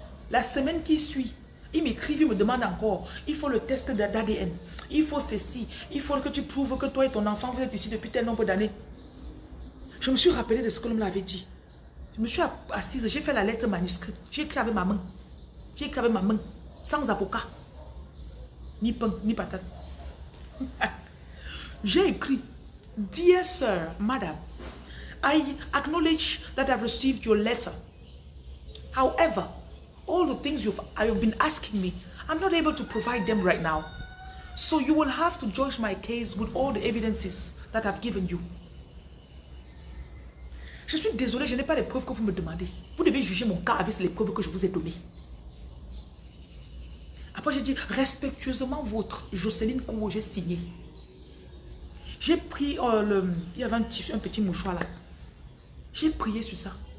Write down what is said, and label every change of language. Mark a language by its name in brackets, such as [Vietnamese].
[French] La semaine qui suit, il m'écrit, il me demande encore, il faut le test d'ADN, il faut ceci, il faut que tu prouves que toi et ton enfant, vous êtes ici depuis tel nombre d'années. Je me suis rappelé de ce que l'homme l'avait dit. Je me suis assise, j'ai fait la lettre manuscrite, j'ai écrit avec ma main. J'ai écrit avec ma main, sans avocat, ni pain, ni patate. J'ai écrit, [English] Dear sir, madame, I acknowledge that I've received your letter. However, all the things you've been asking me, I'm not able to provide them right now. So you will have to judge my case with all the evidences that I've given you. [French] Je suis désolé, je n'ai pas les preuves que vous me demandez. Vous devez juger mon cas avec les preuves que je vous ai données. Après, j'ai dit, respectueusement votre Jocelyne Kouo, j'ai signé. J'ai pris, il y avait un petit mouchoir là. J'ai prié sur ça.